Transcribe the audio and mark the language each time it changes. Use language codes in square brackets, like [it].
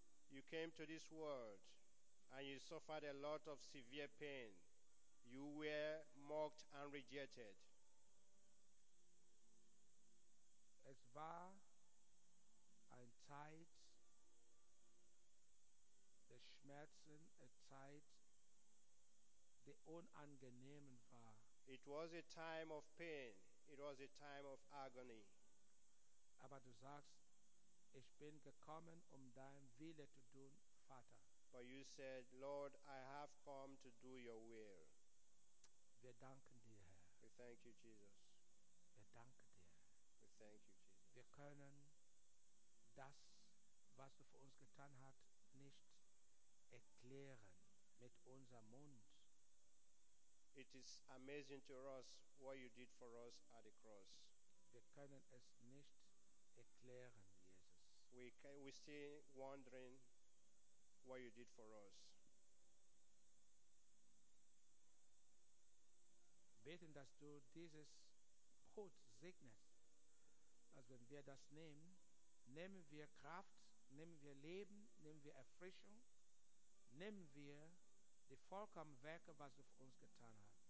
[en] You came to this world and you suffered a lot of severe pain. You were mocked and rejected. [de] Es war eine Zeit der Schmerzen, eine Zeit own Anger nehmen war. [en] It was a time of pain. It was a time of agony. [de] Aber du sagst, ich bin gekommen, um dein Wille zu tun, Vater. [en] But you said, Lord, I have come to do your will. [de] Wir danken dir, Herr. [en] We thank you, Jesus. [de] Wir danken dir. [en] We thank you, Jesus. [de] Wir können das, was du für uns getan hast, nicht erklären mit unserem Mund. [en] It is amazing to us what you did for us at the cross. [de] Wir können es nicht erklären, Jesus. [en] We're still wondering what you did for us. [de] Beten, dass du dieses Brot segnest, dass wenn wir das nehmen, nehmen wir Kraft, nehmen wir Leben, nehmen wir Erfrischung, nehmen wir die vollkommenen Werke, was du für uns getan hast.